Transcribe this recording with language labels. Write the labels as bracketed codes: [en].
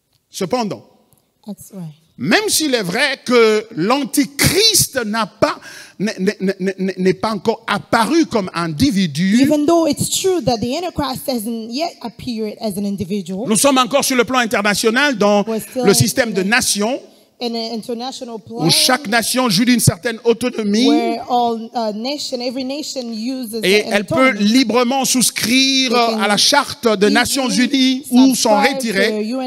[fr] Cependant, même s'il est vrai que l'Antichrist n'a pas, n'est pas encore apparu comme individu, [en] even though it's true that the Antichrist hasn't yet appeared as an individual, [fr] nous sommes encore sur le plan international dans le système de nations, [en] in an international plan, [fr] où chaque nation jouit d'une certaine autonomie, [en] where all, nation, every nation uses [fr] et elle peut librement souscrire à la charte des Nations Unies ou s'en retirer.